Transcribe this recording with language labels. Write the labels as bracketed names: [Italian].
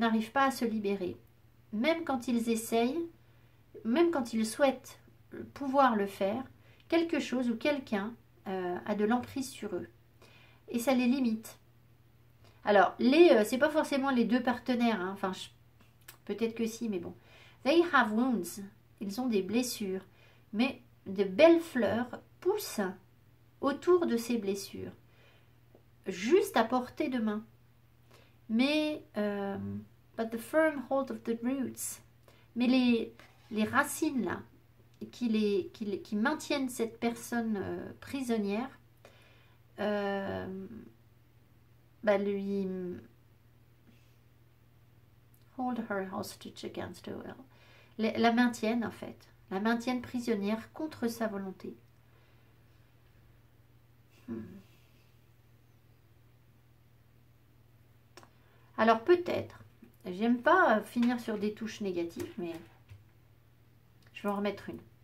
[French] Ils n'arrivent pas à se libérer. Même quand ils essayent, même quand ils souhaitent pouvoir le faire, quelque chose ou quelqu'un a de l'emprise sur eux. Et ça les limite. Alors, c'est pas forcément les deux partenaires. Hein. Enfin, peut-être que si, mais bon. [English] They have wounds. [French] Ils ont des blessures. Mais de belles fleurs poussent autour de ces blessures. Juste à portée de main. Mais, [English] but the firm hold of the roots. [French] Mais les racines là, qui maintiennent cette personne prisonnière, bah lui. [English] Hold her hostage against her will. [French] La maintiennent en fait. La maintiennent prisonnière contre sa volonté. Alors peut-être, j'aime pas finir sur des touches négatives, mais je vais en remettre une.